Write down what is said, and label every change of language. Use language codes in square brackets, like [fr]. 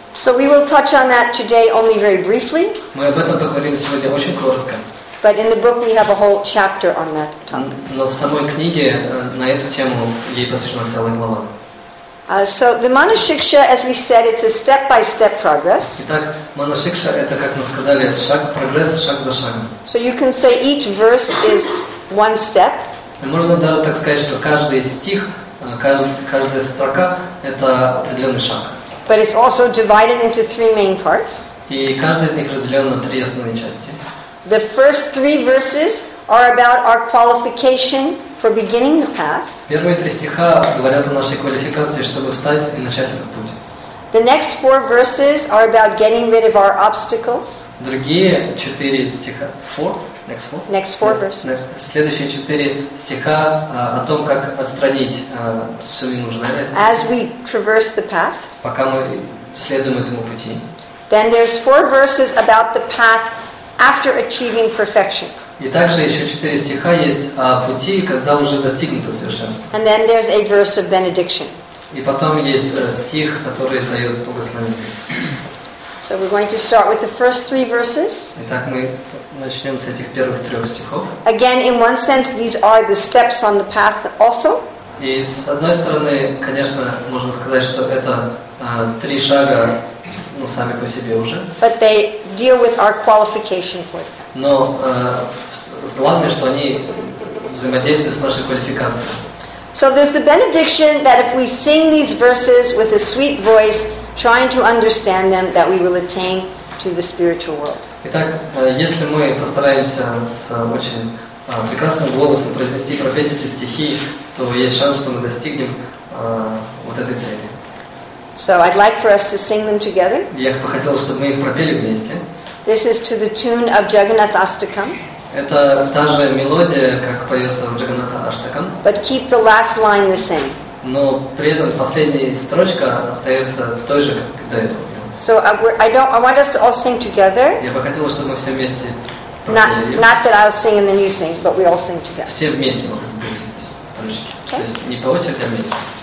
[en] So we will touch on that today only very briefly. [ru] Мы об этом поговорим сегодня очень коротко. [en] But in the book we have a whole chapter on that topic. [ru] Но в самой книге на эту тему ей посвящена целая глава. [en] So the Manushiksha, as we said, it's a step-by-step progress. [ru] Итак, Манушикша это, как мы сказали, шаг прогресс, шаг за шагом. [en] So you can say each verse is one step. [ru] И можно даже так сказать, что каждый стих, каждая строка это определенный шаг. [en] But it's also divided into three main parts. [ru] И каждый из них разделен на три основные части. [en] The first three verses are about our qualification for beginning the path. [ru] Первые три стиха говорят о нашей квалификации, чтобы встать и начать этот путь. [en] The next four verses are about getting rid of our obstacles. [ru] Другие четыре стиха. [en] Next four verses. [ru] Следующие четыре стиха о том, как отстранить все ненужное. [en] As we traverse the path. [ru] Пока мы следуем этому пути. [en] Then there's four verses about the path after achieving perfection. [ru] И также еще четыре стиха есть о пути, когда уже достигнуто совершенство. [en] And then there's a verse of benediction. [ru] И потом есть стих, который дает благословение. [en] So we're going to start with the first three verses. [ru] Итак, мы начнем с этих первых трех стихов. [en] Again, in one sense, these are the steps on the path also. [ru] И с одной стороны, конечно, можно сказать, что это три шага, ну, сами по себе уже. [en] But they deal with our qualification for it. [ru] Но главное, что они взаимодействуют с нашей квалификацией. [en] So there's the benediction that if we sing these verses with a sweet voice, trying to understand them, that we will attain to the spiritual world. [ru] Итак, если мы постараемся с очень прекрасным голосом произнести и пропеть эти стихи, то есть шанс, что мы достигнем вот этой цели. [en] So I'd like for us to sing them together. [ru] Я бы хотел, чтобы мы их пропели вместе. [en] This is to the tune of Jagannath Astakam. [ru] Это та же мелодия, как поется в Джаганнатха Аштакам. [en] But keep the last line the same. [ru] Но при этом последняя строчка остается той же, как до этого. [en] So I want us to all sing together. [ru] Я бы хотела, чтобы мы все вместе пропели. [en] Not that I'll sing and then you sing, but we all sing together. [ru] Все вместе мы будем петь эти строчки. То есть не по очереди, а вместе.